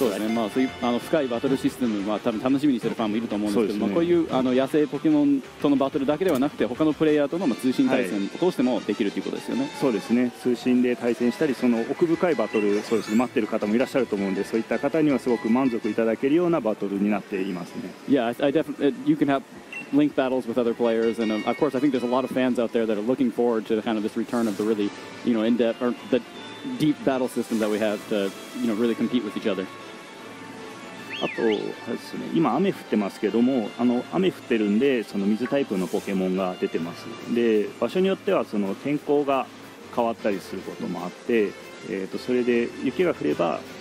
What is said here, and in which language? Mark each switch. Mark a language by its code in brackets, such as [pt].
[ja] そうですね、まあ、そういうあの深いバトルシステムは多分楽しみにしてるファンもいると思うんですけど、そうですね、まあ、こういうあの野生ポケモンとのバトルだけではなくて他のプレイヤーとの通信対戦を通してもできるということですよね、はい、そうですね、通信で対戦したりその奥深いバトル、そうですね、待ってる方もいらっしゃると思うんで、そういった方にはすごく満足いただけるようなバトルになっていますね。 [en] Yeah, I definitely, you can haveLink battles with other players, and of course, I think there's a lot of fans out there that are looking forward to kind of this return of the really, you know, in-depth or the deep battle system that we have to, you know, really compete with each other. [ja] あとですね、今雨降ってますけども、あの雨降ってるんで、その水タイプのポケモンが出てます。で、場所によってはその天候が変わったりすることもあって、それで雪が降れば。